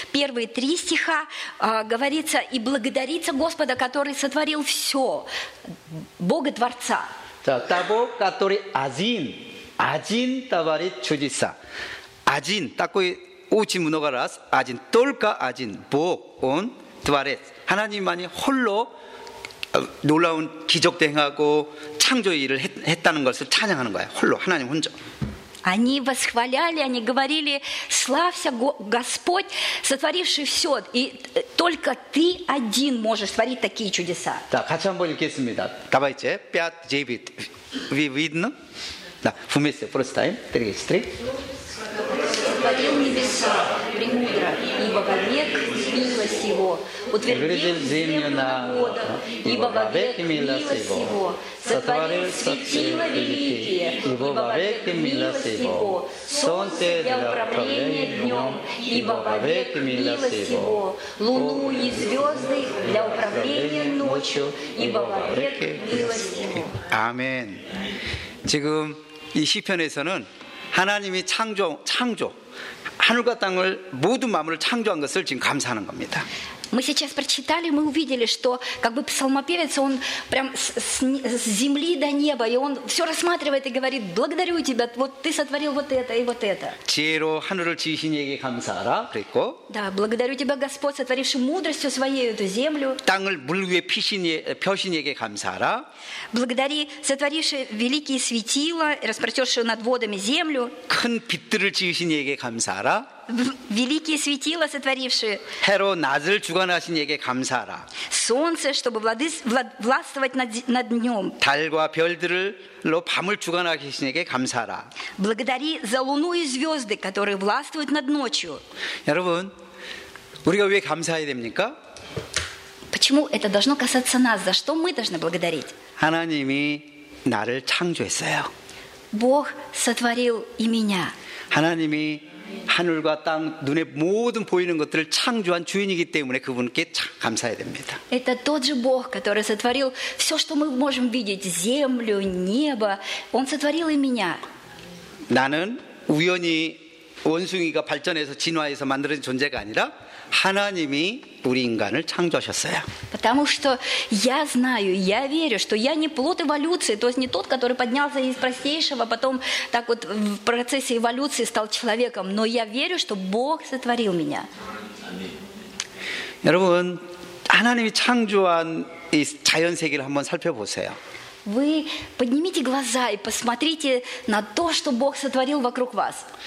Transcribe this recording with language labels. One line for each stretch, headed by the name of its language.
Russian: Первые три стиха говорится и благодарится Господа, который сотворил все, Бога Творца. Того, который один, один творит чудеса. Один, такой очень много раз, один, только один, Бог, Он творит.
Korean: 하나님만이 홀로 놀라운 기적 행하고 창조의 일을 했다는 것을 찬양하는 거예요. 홀로 하나님 혼자.
Russian: Они восхваляли, они говорили: «Славься, Господь, сотворивший все, и только Ты один можешь творить такие чудеса».
Korean: Да, 같이 한번 읽겠습니다.
Russian: Давайте, 5, 9, видно? Да, вместе,
English: first time,
Russian: 3, 3. «Сотворил небеса премудро, ибо вовек милость Его, утвердил землю на водах, ибо вовек милость Его». Сотворил светила великие, ибо вовеки милость Его. Солнце для управления днем, ибо вовеки милость Его. Луну и звезды для управления ночью, ибо вовеки милость Его. Аминь.
Korean: 지금 이 시편에서는 하나님이 창조 하늘과 땅을 모든 만물을 창조한 것을 지금 감사하는 겁니다.
Russian: Мы сейчас прочитали, мы увидели, что как бы псалмопевец, он прям с земли до неба, и он все рассматривает и говорит: благодарю тебя, вот ты сотворил вот это и вот это.
Korean: 지혜로 하늘을 지으신 이에게 감사하라. 그리고
Russian: да, благодарю тебя, Господь, сотворивший мудростью своей эту землю.
Korean: 땅을 물 위에 펴신 이에게 감사하라.
Russian: Благодари, сотворивший великие светила, распростершую над водами землю.
Korean: 큰 빛들을 지으신 이에게 감사하라.
Russian: Великие светила, сотворившие.
Korean: 해로 낮을 주관하신 이에게 감사하라.
Russian: Солнце, чтобы властвовать над днем.
Korean: 달과 별들로 밤을 주관하신 이에게 감사하라.
Russian: Благодари за луну и звезды, которые властвуют над ночью.
Korean: 여러분, 우리가 왜 감사해야 됩니까?
Russian: Почему это должно касаться нас? За что мы должны благодарить?
Korean: 하나님이 나를 창조했어요.
Russian: Бог сотворил и меня.
Korean: 하나님이 하늘과 땅 눈에 모든 보이는 것들을 창조한 주인이기 때문에 그분께 감사해야 됩니다.
Russian: Это тот же Бог, который сотворил все, что мы можем видеть, землю, небо. Он сотворил и меня.
Korean: 나는 우연히 원숭이가 발전해서 진화해서 만들어진 존재가 아니라 하나님이 우리 인간을 창조하셨어요.
Russian: Потому что я знаю, я верю, что я не плод эволюции, то есть не тот, который поднялся из простейшего, потом так вот в процессе эволюции стал человеком, но я верю, что Бог сотворил меня.
Korean: 여러분, 하나님이 창조한 이 자연 세계를 한번 살펴보세요.
Russian: Вы поднимите глаза и посмотрите на то, что Бог сотворил вокруг вас.